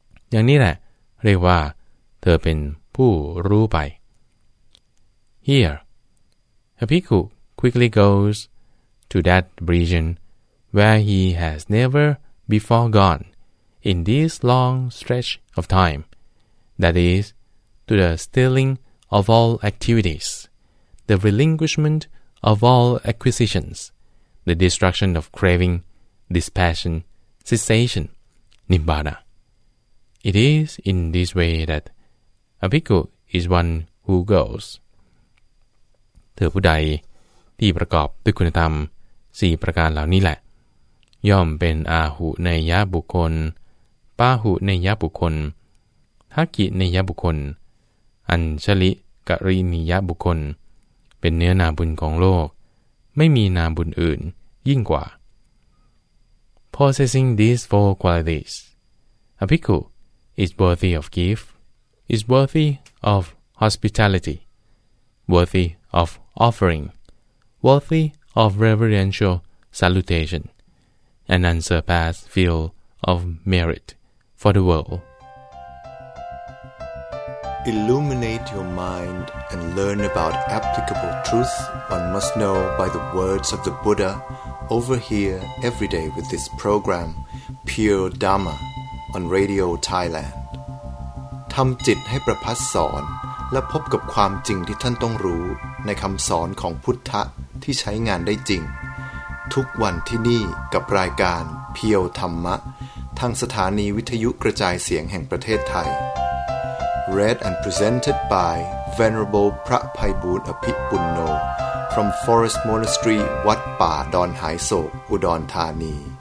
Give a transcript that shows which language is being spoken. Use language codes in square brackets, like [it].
[th] อย่างนี้แหละเรียกว่าเธอเป็นผู้รู้ไป [en] Here a bhikkhu quickly goes to that region where he has never before gone in this long stretch of time, that is, to the stilling of all activities, the relinquishment of all acquisitions, the destruction of craving, dispassion, cessation, nibbana. It is in this way that a bhikkhu is one who goes. [th] เธอผู้ใดที่ประกอบด้วยคุณธรรม4ประการเหล่านี้แหละย่อมเป็นอาหุไนยบุคคลปาหุไนยบุคคล ทักขิไนยบุคคลอัญชลิกริณียบุคคลเป็นเนื้อนาบุญของโลกไม่มีนาบุญอื่นยิ่งกว่า [en] Possessing these four qualities, a bhikkhu is worthy of gift, is worthy of hospitality, worthy of offering, worthy of reverential salutation, an unsurpassed field of merit for the world. Illuminate your mind and learn about applicable truth one must know by the words of the Buddha over here every day with this program Pure Dharma on Radio Thailand. [th] ทำจิตให้ประพัสสอนและพบกับความจริงที่ท่านต้องรู้ในคำสอนของพุทธะที่ใช้งานได้จริงทุกวันที่นี่กับรายการเพียวธรรมะทางสถานีวิทยุกระจายเสียงแห่งประเทศไทย [en] Read and presented by Venerable [th] พระไพบูลย์อภิปุณโญ from Forest Monastery วัดป่าดอนหายโศกอุดรธานี